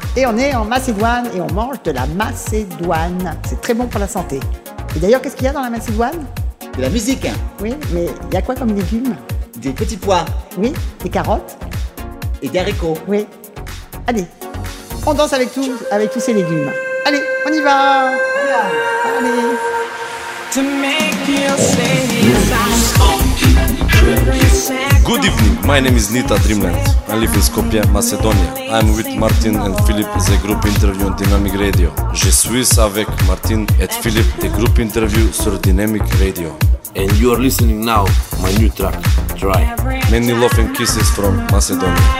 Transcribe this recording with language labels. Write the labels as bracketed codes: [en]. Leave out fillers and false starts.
[fr] Et on est en Macédoine et on mange de la Macédoine. C'est très bon pour la santé. Et d'ailleurs, qu'est-ce qu'il y a dans la Macédoine? De la musique. Oui, mais il y a quoi comme légumes? Des petits pois. Oui, des carottes. Et des haricots. Oui. Allez, on danse avec tous ces légumes. Allez, on y va. Allez. [en] To make you say good evening, my name is Nita Dreamland. I live in Skopje, Macedonia. I'm with Martin and Philippe, the group interview on Dynamic Radio. [fr] Je suis avec Martin et Philippe, the group interview sur Dynamic Radio. [en] And you are listening now, my new track, Try. Many love and kisses from Macedonia.